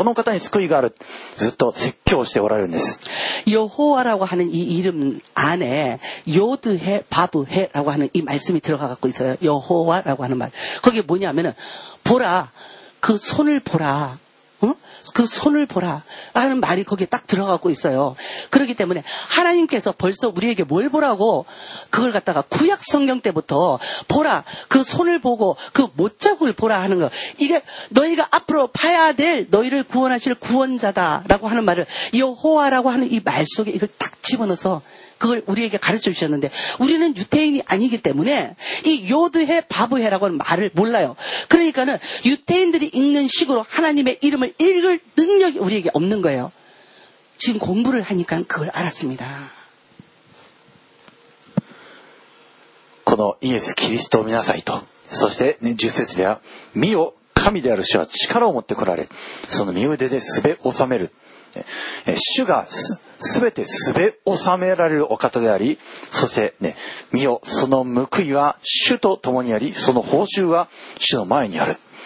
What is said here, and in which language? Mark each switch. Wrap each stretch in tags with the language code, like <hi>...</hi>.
<ja>という意味でした。エホバなる主の皆は、ヨドヘバブヘ、手を見よ、釘を見よ。本当に誠に主を見なさいと、この救いはこのお方にあるのだと、もう旧約でも新約でも、ずっと主は見よと、このお方を見よ、この方に救いがある、ずっと説教しておられるんです。</ja> <ko>여호와라고 하는 이 이름 안에 요드 헤 바브 헤라고 하는 이 말씀이 들어가 갖고 있어요. 여호와라고 하는 말. 그게 뭐냐면은 보라, 그 손을 보라, 응? 그 손을 보라 하는 말이 거기에 딱 들어가고 있어요. 그렇기 때문에 하나님께서 벌써 우리에게 뭘 보라고 그걸 갖다가 구약 성경 때부터 보라, 그 손을 보고 그 못자국을 보라 하는 거, 이게 너희가 앞으로 봐야 될 너희를 구원하실 구원자다라고 하는 말을 여호와라고 하는 이 말 속에 이걸 딱 집어넣어서 그걸 우리에게 가르쳐 주셨는데 우리는 유태인이 아니기 때문에 이 요드해 바브해라고 하는 말을 몰라요. 그러니까는 유태인들이 읽는 식으로 하나님의 이름을 읽을 능력이 우리에게 없는 거예요. 지금 공부를 하니까 그걸 알았습니다.</ko> <ja>このイエスキリストを見なさいとそして十節では、見よ、神である主は力を持ってこられ、その右腕ですべ収める。主がすべてすべ収められるお方であり、そして、ね、見よ、その報いは主と共にあり、その報酬は主の前にある。</ja>